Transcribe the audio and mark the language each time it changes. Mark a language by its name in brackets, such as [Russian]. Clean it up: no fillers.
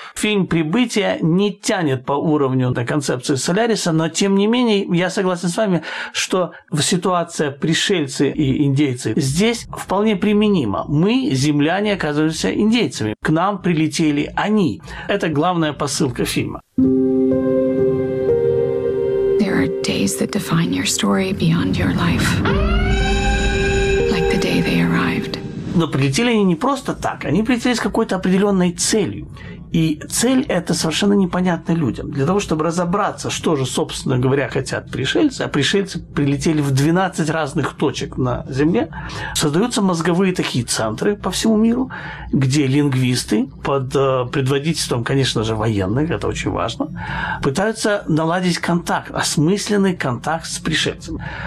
[Russian] Фильм «Прибытие» не тянет по уровню на концепцию «Соляриса», но, тем не менее, я согласен с вами, что ситуация пришельцы и индейцы здесь вполне применима. Мы, земляне, оказываемся индейцами. К нам прилетели они. Это главная посылка фильма. [English] Days that define your story beyond your life, like the day they arrived. [Russian] Но прилетели они не просто так, они прилетели с какой-то определенной целью. И цель эта совершенно непонятна людям. Для того, чтобы разобраться, что же, собственно говоря, хотят пришельцы, а пришельцы прилетели в 12 разных точек на Земле, создаются мозговые такие центры по всему миру, где лингвисты под предводительством, конечно же, военных, это очень важно, пытаются наладить контакт, осмысленный контакт с пришельцами.